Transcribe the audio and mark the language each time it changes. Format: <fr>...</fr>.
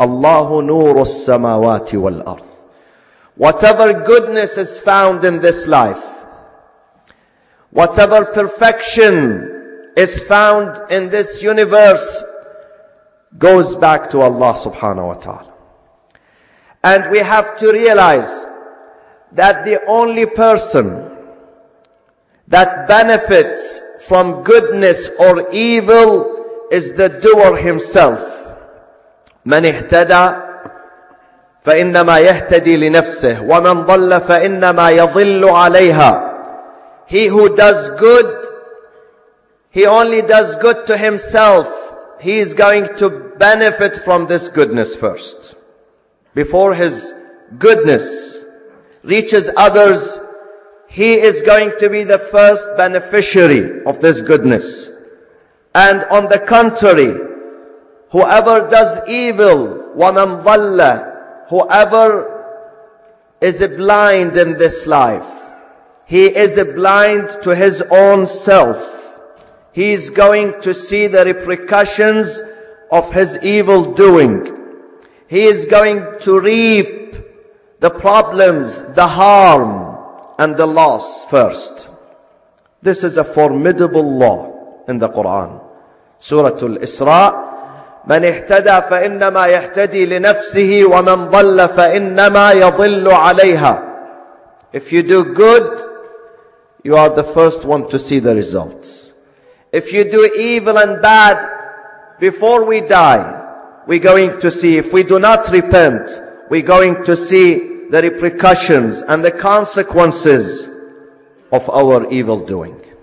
<en>Allahu nuru as-samawati wal-ardh. Whatever goodness is found in this life, whatever perfection is found in this universe, goes back to Allah subhanahu wa ta'ala. And we have to realize that the only person that benefits from goodness or evil is the doer himself.</en> <ar>من اهتدى فإنما يهتدي لنفسه ومن ضل فإنما يضل عليها.</ar> <en>He who does good, he only does good to himself. He is going to benefit from this goodness first. Before his goodness reaches others, he is going to be the first beneficiary of this goodness. And on the contrary, whoever does evil,</en> <ar>وَمَنْ ضَلَّ,</ar> <en>whoever is blind in this life, he is blind to his own self. He is going to see the repercussions of his evil doing. He is going to reap the problems, the harm, and the loss first. This is a formidable law in the Quran. Surah Al-Isra.</en> <ar>من اهتدى فإنما يهتدي لنفسه ومن ضل فإنما يضل عليها.</ar> <en>If you do good, you are the first one to see the results. If you do evil and bad, before we die, we're going to see. If we do not repent, we're going to see the repercussions and the consequences of our evil doing.</en>